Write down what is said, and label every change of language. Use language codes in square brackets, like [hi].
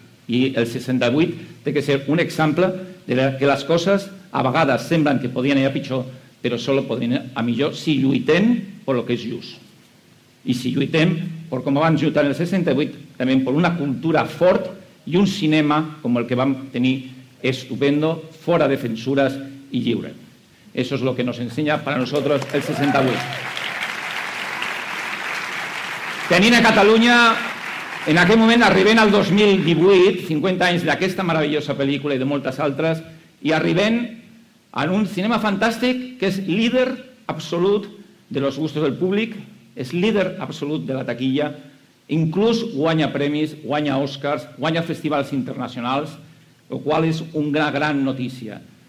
[ca] I el 68 té que ser un exemple de que les coses a vegades semblen que podien anar pitjor, però solo podrien anar a millor si lluitem per el que és just. I si lluitem per com vam lluitar en el 68, també per una cultura fort i un cinema com el que vam tenir estupendo, fora de censures i lliure. [es] Eso es lo que nos enseña para nosotros el 68. [ca] Tenint a Catalunya, en aquell moment arribem al 2018, 50 anys d'aquesta meravellosa pel·lícula i de moltes altres, i arribem a un cinema fantàstic que és líder absolut de [es] los gustos [ca] del públic, és líder absolut de la taquilla, inclús guanya premis, guanya Oscars, guanya festivals internacionals, el qual és una gran notícia.